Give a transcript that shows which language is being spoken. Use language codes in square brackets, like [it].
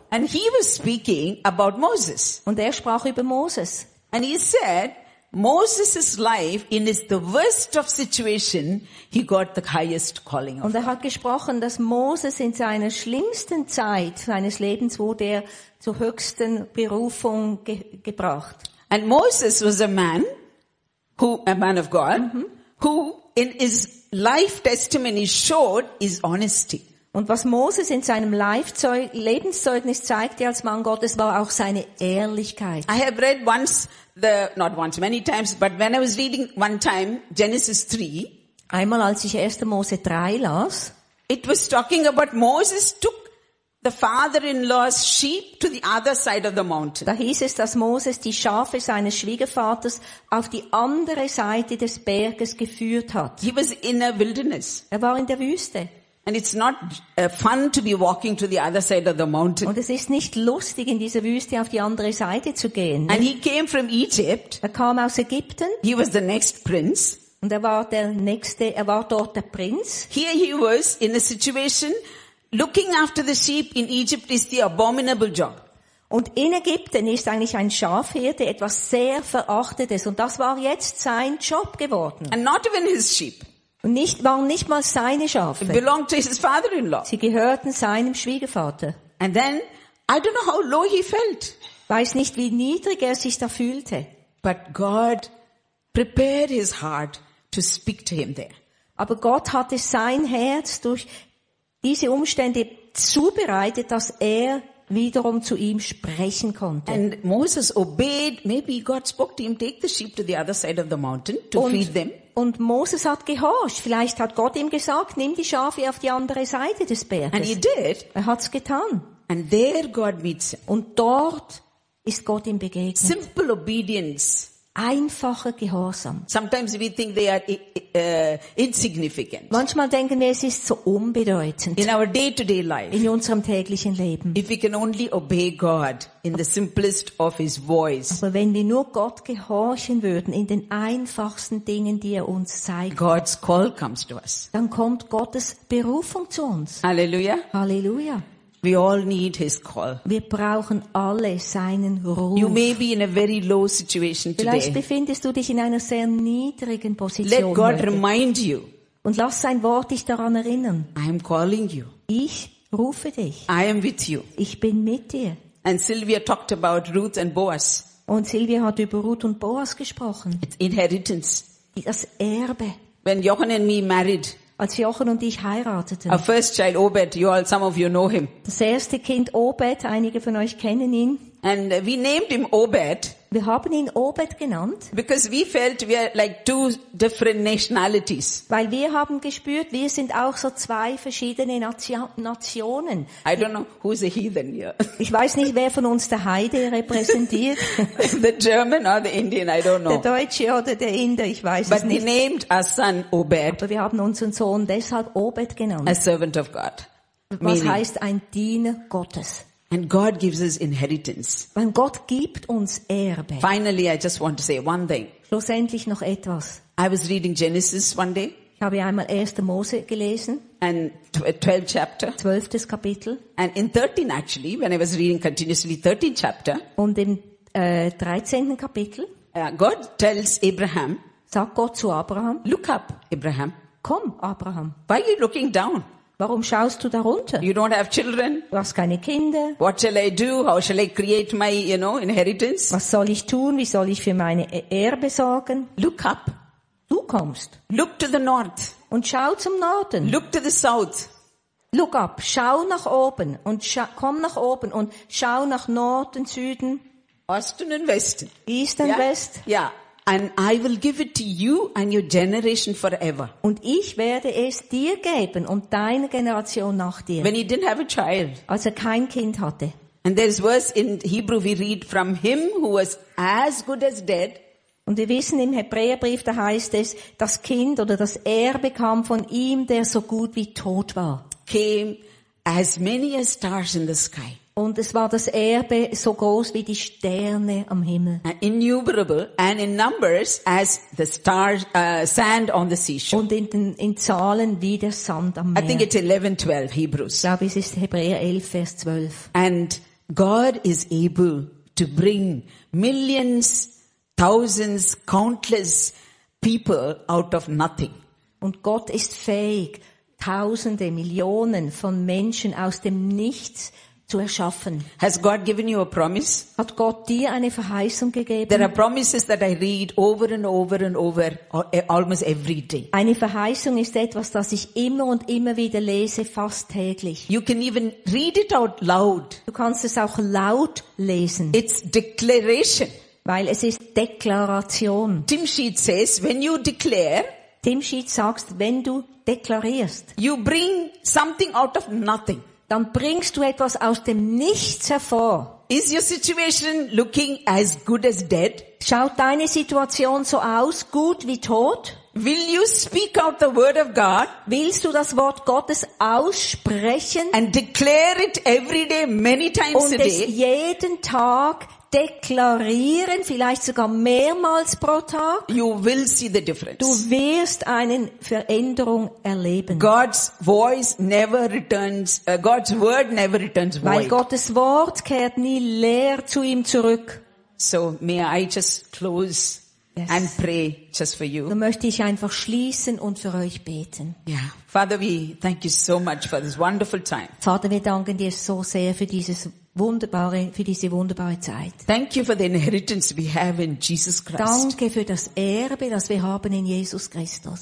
[en] And he was speaking about Moses. [de] Und sprach über Moses. [en] And he said, Moses' life in his the worst of situation, he got the highest calling. [de] Und hat gesprochen, dass Moses in seiner schlimmsten Zeit seines Lebens wurde zur höchsten Berufung gebracht. [en] And Moses was a man of God, who in his life testimony showed his honesty. [de] Und was Moses in seinem Lebenszeugnis zeigte als Mann Gottes, war auch seine Ehrlichkeit. [en] I have read when I was reading one time Genesis 3. [de] Einmal als ich 1. Mose 3 las. [en] It was talking about Moses took the father-in-law's sheep to the other side of the mountain. [de] Da hieß es, dass Moses die Schafe seines Schwiegervaters auf die andere Seite des Berges geführt hat. [en] He was in a wilderness. [de] War in der Wüste. [en] And it's not fun to be walking to the other side of the mountain. [de] Und es ist nicht lustig, in dieser Wüste auf die andere Seite zu gehen. [en] And he came from Egypt. [de] Kam aus Ägypten. [en] He was the next prince. [de] Und war der nächste, war dort der Prinz. [en] Here he was in a situation, looking after the sheep in Egypt is the abominable job. [de] Und in Ägypten ist eigentlich ein Schafhirte etwas sehr Verachtetes. Und das war jetzt sein Job geworden. [en] And not even his sheep. [de] Und waren nicht mal seine Schafe. [en] It belonged to his father-in-law. [de] Sie gehörten seinem Schwiegervater. [en] And then, I don't know how low he felt. [de] Weiß nicht, wie niedrig sich da fühlte. [en] But God prepared his heart to speak to him there. [de] Aber Gott hatte sein Herz durch diese Umstände zubereitet, dass wiederum zu ihm sprechen konnte. [en] And Moses obeyed. Maybe God spoke to him, take the sheep to the other side of the mountain to feed them. [de] Und Moses hat gehorcht. Vielleicht hat Gott ihm gesagt, nimm die Schafe auf die andere Seite des Berges. [en] And he did. [de] Hat's getan. [en] And there God meets him. [de] Und dort ist Gott ihm begegnet. [en] Simple obedience. [de] Einfacher Gehorsam. [en] Sometimes we think they are insignificant. [de] Manchmal denken wir, es ist so unbedeutend. [en] In our day-to-day life. [de] In unserem täglichen Leben. [en] If we can only obey God in the simplest of His voice. [de] Aber wenn wir nur Gott gehorchen würden in den einfachsten Dingen, die uns zeigt. [en] God's call comes to us. [de] Dann kommt Gottes Berufung zu uns. Halleluja. Halleluja. [en] We all need his call. [de] Wir brauchen alle seinen Ruf. [en] You may be in a very low situation today. [de] Vielleicht befindest du dich in einer sehr niedrigen Position. [en] Let God remind you. [de] Und lass sein Wort dich daran erinnern. [en] I am calling you. [de] Ich rufe dich. [en] I am with you. [de] Ich bin mit dir. [en] And Sylvia talked about Ruth and Boaz. [de] Und Sylvia hat über Ruth und Boaz gesprochen. [en] It's inheritance. [de] Das Erbe. [en] When Jochen and me married. [de] Als Jochen und ich heirateten. [en] Our first child, Obed, some of you know him. [de] Das erste Kind Obed, einige von euch kennen ihn. [en] And we named him Obed. [de] Wir haben ihn Obed genannt. [en] Because we felt we are like two different nationalities. [de] Weil wir haben gespürt, wir sind auch so zwei verschiedene Nationen. [en] I don't know who's a heathen here. [de] Ich weiß nicht, wer von uns der Heide repräsentiert. [en] The German or the Indian, I don't know. [de] Der Deutsche oder der Inder, ich weiß [en] But [de] es nicht. [en] But we named our son Obed. [de] Aber wir haben unseren Sohn deshalb Obed genannt. [en] A servant of God. Was meaning. [de] Heißt ein Diener Gottes? [en] And God gives us inheritance. [de] Weil Gott gibt uns Erbe. [en] Finally, I just want to say one thing. [de] Schlussendlich noch etwas. [en] I was reading Genesis one day. [de] Ich habe einmal 1. Mose gelesen. [en] and 12 chapter. [de] 12. Kapitel. [en] And in 13 actually, when I was reading continuously 13 chapter. [de] Und im 13. Kapitel. [en] God tells Abraham. [de] Sagt Gott zu Abraham. [en] Look up, Abraham. [de] Komm, Abraham. [en] Why are you looking down? [de] Warum schaust du darunter? [en] You don't have children. [de] Du hast keine Kinder. [en] What shall I do? How shall I create my, you know, inheritance? [de] Was soll ich tun? Wie soll ich für meine Erbe sorgen? [en] Look up. [de] Du kommst. [en] Look to the north. [de] Und schau zum Norden. [en] Look to the south. Look up. [de] Schau nach oben und komm nach oben und schau nach Norden, Süden, Osten und Westen. [en] East and West. Yeah. And I will give it to you and your generation forever. [de] Und ich werde es dir geben und deine Generation nach dir. [en] When he didn't have a child. [de] Als er kein Kind hatte. [en] And there's verse in Hebrew we read from him who was as good as dead. [de] Und wir wissen im Hebräerbrief, da heißt es, das Kind oder das Erbe kam von ihm, der so gut wie tot war. [en] Came as many as stars in the sky. [de] Und es war das Erbe so groß wie die Sterne am Himmel. [en] Innumerable and in numbers as the stars, sand on the seashore. [de] Und in Zahlen wie der Sand am Meer. [en] I think it's 11:12 Hebrews. [de] Ich glaube, es ist Hebräer 11, Vers 12. [en] And God is able to bring millions, thousands, countless people out of nothing. [de] Und Gott ist fähig, Tausende, Millionen von Menschen aus dem Nichts zu erschaffen. [en] Has God given you a promise? [de] Hat Gott dir eine Verheißung gegeben? [en] There are promises that I read over and over and over, almost every day. [de] Eine Verheißung ist etwas, das ich immer und immer wieder lese, fast täglich. [en] You can even read it out loud. [de] Du kannst es auch laut lesen. [en] It's declaration. [de] Weil es ist Deklaration. [en] Tim Sheet says, when you declare, [de] Tim Sheet sagt, wenn du deklarierst, [en] you bring something out of nothing. [de] Dann bringst du etwas aus dem Nichts hervor. [en] Is your situation looking as good as dead? [de] Schaut deine Situation so aus, gut wie tot? [en] Will you speak out the word of God? [de] Willst du das Wort Gottes aussprechen? [en] And declare it every day, many times a day. [de] Und es jeden Tag deklarieren, vielleicht sogar mehrmals pro Tag. [en] You will see the difference. [de] Du wirst eine Veränderung erleben. [en] God's voice never returns, God's word never returns void. [de] Weil Gottes Wort kehrt nie leer zu ihm zurück. [en] So may I just close and pray just for you. [de] So möchte ich einfach schließen und für euch beten. [en] Yeah. Father, we thank you so much for this wonderful time. [de] Vater, wir danken dir so sehr für dieses wunderbare, für diese wunderbare Zeit. [en] Thank you for the inheritance we have in Jesus Christ. [de] Danke für das Erbe, das wir haben in Jesus Christus.